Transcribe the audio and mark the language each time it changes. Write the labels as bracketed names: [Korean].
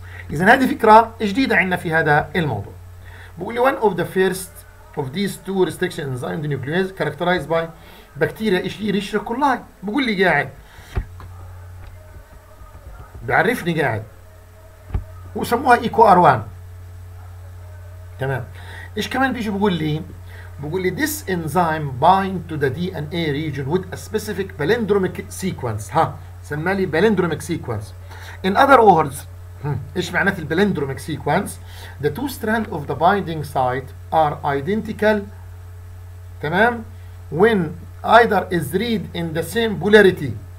[Arabic] اذا هذه فكره جديده عندنا في هذا الموضوع. بقول لي [English] one of the first of this two restriction enzyme the nuclease characterise by bacteria Escherichia coli, [Arabic] بقول لي قاعد بعرفني قاعد وسموها ايكو ار 1، تمام. ايش كمان بيجي بقول لي؟ [English] بقول لي this enzyme bind to the DNA region with a specific palindromic sequence. [Arabic] ها سمى لي palindromic sequence. [English] In other words, [Arabic] ايش معناه البلندروميك سيكونس؟ [English] The two strands of the binding site are identical, تمام؟ When either is read in the same polarity.